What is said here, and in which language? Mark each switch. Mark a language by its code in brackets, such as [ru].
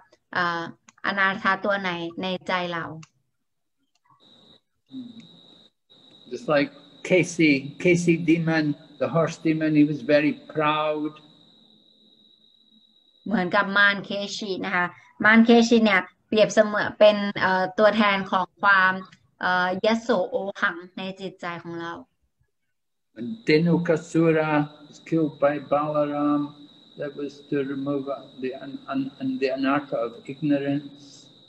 [th] กุรุมาราบว่าเดี๋ยวสัปดาห์หน้านะคะกุรุมาราจะมาพูดให้ฟังนะคะว่ามารตัวไหนเนี่ยจะเปรียบเสมือนกับอนาถาตัวไหนในใจเรา [en] Just like Casey demon, the horse demon, he was very proud. [th] เหมือนกับมารเคชินะคะมารเคชิเนี่ยเปรียบเสมือนเป็นตัวแทนของความยโสโอหังในจิตใจของเรา [en] And Denukasura was killed by Balaram, that was to remove the anartha of ignorance.